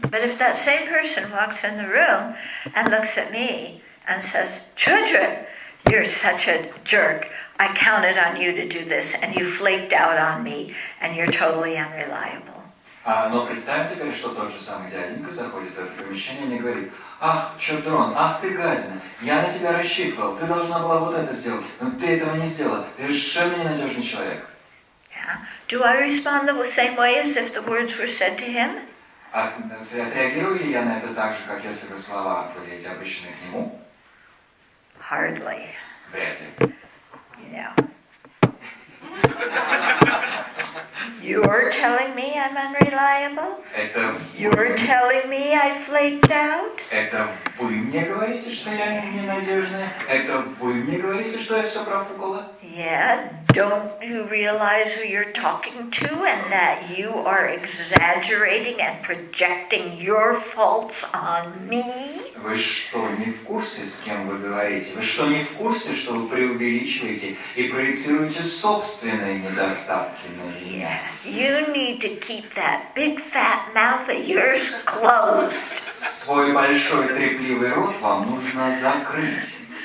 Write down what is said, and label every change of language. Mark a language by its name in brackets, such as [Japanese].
[English] But if that same person walks in the room and looks at me and says, "Children, you're such a jerk. I counted on you to do this, and you flaked out on me, and you're totally unreliable." [Russian] Но представьте, что тот же самый дяденька заходит в помещение и говорит: «Ах, чердрон, ах ты гадина, я на тебя рассчитывал, ты должна была вот это сделать, но ты этого не сделала, ты совершенно ненадежный человек». [English] Do I respond the same way as if the words were said to him? [Russian] Отреагирую ли я на это так же, как если бы слова были эти обычные к нему? [English] Hardly. [Russian] Вряд ли. [English] You know. You're telling me I'm unreliable? You're telling me I flaked out? [Russian] Это вы мне говорите, что я ненадежная? Это вы мне говорите, что я все профукала? [English] Yeah, don't you realize who you're talking to and that you are exaggerating and projecting your faults on me? [Russian] Вы что, не в курсе, с кем вы говорите? Вы что, не в курсе, что вы преувеличиваете и проецируете собственные недостатки на меня? [English] Yeah. You need to keep that big fat mouth of yours closed. [Russian] Свой большой трепливый рот вам нужно закрыть.